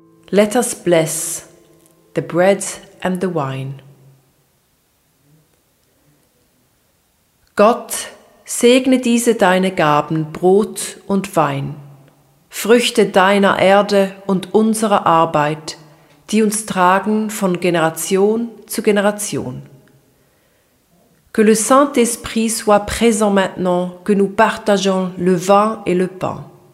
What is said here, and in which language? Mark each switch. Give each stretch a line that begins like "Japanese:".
English: Let us bless the bread and the wine.
German: Gott, segne diese deine Gaben, Brot und Wein, Früchte deiner Erde und unserer Arbeit, die uns tragen von Generation zu Generation.
French: Que le Saint-Esprit soit présent maintenant que nous partageons le vin et le pain.